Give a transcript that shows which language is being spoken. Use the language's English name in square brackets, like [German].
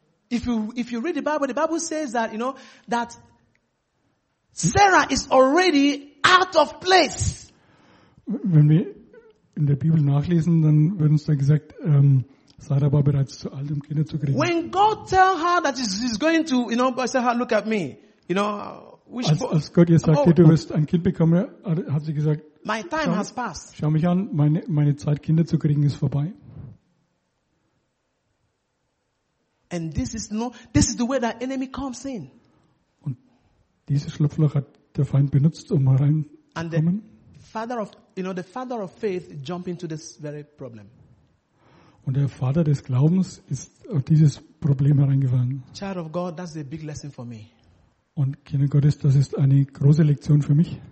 [English] If you read the Bible says that, you know, that Sarah is already out of place. [German] Wenn wir in der Bibel nachlesen, dann wird uns da gesagt, Sarah war bereits zu alt, um Kinder zu kriegen. [English] When God tell her that she's going to, you know, say, look at me, you know. [German] Als Gott ihr sagte, du wirst ein Kind bekommen, hat sie gesagt, [English] my time has passed. [German] Schau mich an, meine Zeit, Kinder zu kriegen, ist vorbei. [English] And this is the way that enemy comes in. [German] Und dieses Schlupfloch hat der Feind benutzt, um hereinzukommen. [English] The father of faith jumped into this very problem. [German] Und der Vater des Glaubens ist auf dieses Problem hereingefallen. [English] Child of God, that's a big lesson for me. [German] Und Kinder Gottes, das ist eine große Lektion für mich.